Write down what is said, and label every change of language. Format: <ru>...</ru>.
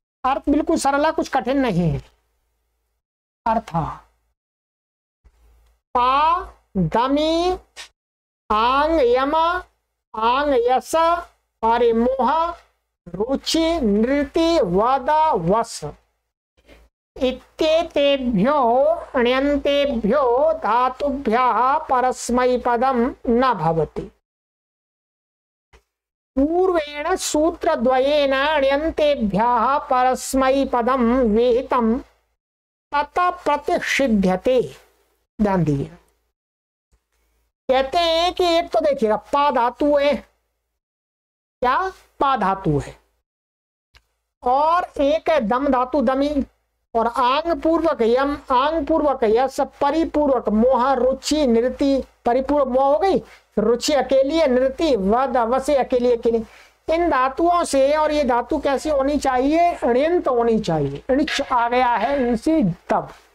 <hi>अर्थ बिल्कुल सरल है, कुछ कठिन नहीं है,</hi> <sa>अर्थ पा दमी आंग यमा आंग यस परिमोह रुचि नृति वद वस इत्येतेभ्यो अण्यन्तेभ्यो धातुभ्यः परस्मैपदं न भवति। पूर्वेण सूत्रद्वयेन अण्यन्तेभ्यः परस्मैपदं विहितं तत प्रतिषिध्यते।</sa> <hi>ध्यान दीजिए, कहते हैं कि एक तो देखिएगा पा धातु है, क्या पा धातु है, और एक है दम धातु दमी, और आंग पूर्वक यम, आंग पूर्वक यस, परिपूर्वक मोह रुचि नृति, परिपूर्वक मोह हो गई रुचि अकेली है, नृति वध अवश्य अकेली अकेली, इन धातुओं से, और ये धातु कैसी होनी चाहिए, अण्यंत होनी चाहिए, अणिच आ गया है इनसे तब,</hi>